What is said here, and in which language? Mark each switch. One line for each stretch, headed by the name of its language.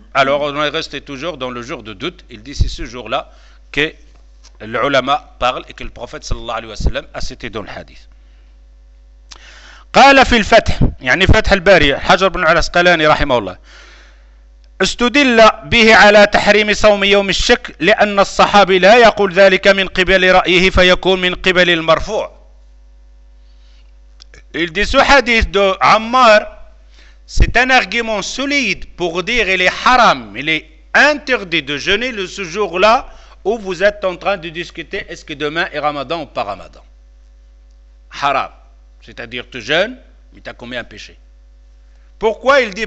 French: Alors, on est resté toujours dans le jour de doute. Il dit, c'est ce jour-là que l'ulama parle et que le prophète, sallallahu alayhi wa sallam, a cité dans le hadith.
Arabic: قال في الفتح يعني فتح البارية حجر بن العسقلاني رحمه الله استدل به على تحريم صوم يوم الشك لأن الصحابي لا يقول ذلك من قبل رأيه فيكون من قبل المرفوع.
French: Il dit ce hadith de Ammar, c'est un argument solide pour dire il est haram, il est interdit de jeûner le ce jour-là où vous êtes en train de discuter est-ce que demain est Ramadan ou pas Ramadan. Haram, c'est-à-dire tu jeûnes, mais tu as commis un péché. Pourquoi il dit?